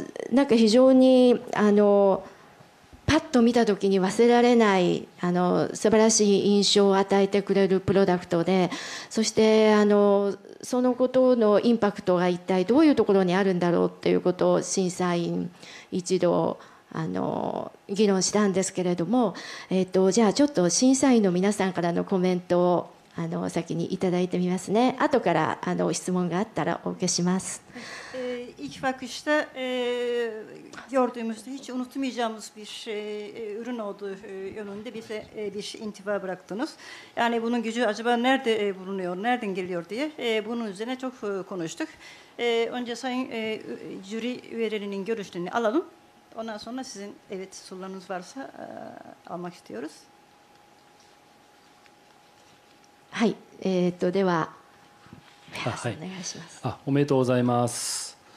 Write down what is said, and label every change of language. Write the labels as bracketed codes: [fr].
[ja] なんか非常にあのパッと見たときに忘れられないあの素晴らしい印象を与えてくれるプロダクトで、そしてあのそのことのインパクトが一体どういうところにあるんだろうということを審査員一同あの議論したんですけれども、じゃあちょっと審査員の皆さんからのコメントをあの先にいただいてみますね。後からあの質問があったらお受けします。 [tr] İlk bakışta gördüğümüzde hiç unutmayacağımız bir ürün olduğu yönünde bize bir intiba bıraktınız. Yani bunun gücü acaba nerede bulunuyor, nereden geliyor diye bunun üzerine çok konuştuk. Önce sayın jüri üyelerinin görüşlerini alalım. Ondan sonra sizin evet sorularınız varsa almak istiyoruz. [ja] はい、では、はい、お願いします。あ、おめでとうございます。